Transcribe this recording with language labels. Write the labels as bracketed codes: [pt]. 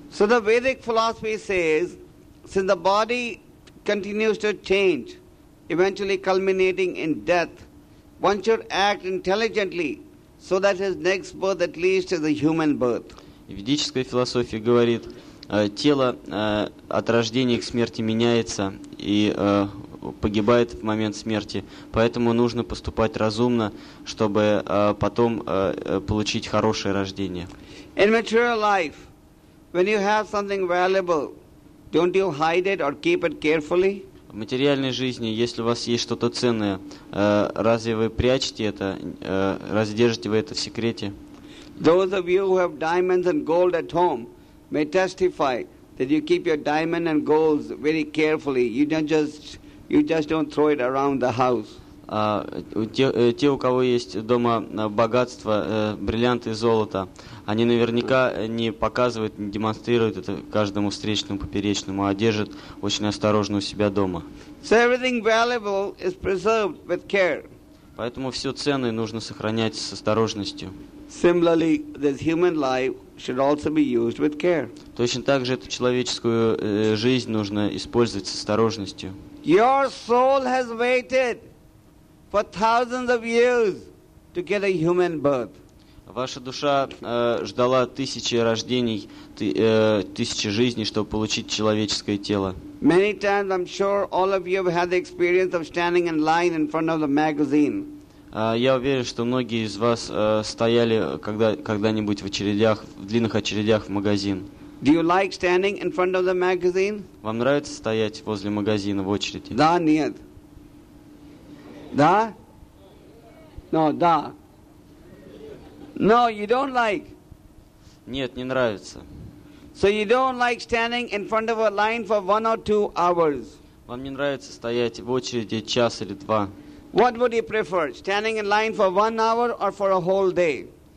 [en] So the Vedic philosophy says, since the body continues to change, eventually culminating in death, one should act intelligently so that his next birth at least is a human birth. [ru] Ведическая философия говорит, тело от рождения к смерти меняется и погибает в момент смерти, поэтому нужно поступать разумно, чтобы потом получить хорошее рождение. [en] In material life, when you have something valuable, don't you hide it or keep it carefully? [ru] В материальной жизни, если у вас есть что-то ценное, разве вы прячете это, разве держите вы это в секрете? [en] Those of you who have diamonds and gold at home may testify that you keep your diamond and gold very carefully. You just don't throw it around the house. [ru] Те, у кого есть дома богатство, бриллианты и золото, они наверняка не показывают, не демонстрируют это каждому встречному, поперечному, а держат очень осторожно у себя дома. [en] So everything valuable is preserved with care. [ru] Поэтому все ценное нужно сохранять с осторожностью. [en] Similarly, this human life should also be used with care. [ru] Точно так же эту человеческую жизнь нужно использовать с осторожностью. [en] Your soul has waited for thousands of years to get a human birth. [ru] Ваша душа ждала тысячи рождений, тысячи жизней, чтобы получить человеческое тело. [en] Many times, I'm sure, all of you have had the experience of standing in line in front of the magazine. [ru] Я уверен, что многие из вас стояли когда-нибудь в очередях, в длинных очередях в магазин. [en] Do you like standing in front of the magazine? [ru] Вам нравится стоять возле магазина в очереди? Да, нет. Да? [en] No, [ru] да. [en] No, you don't like. [ru] Нет, не нравится. [en] So you don't like standing in front of a line for 1 or 2 hours? [ru] Вам не нравится стоять в очереди час или два? [en] What would you prefer, standing in line for 1 hour or for a whole day?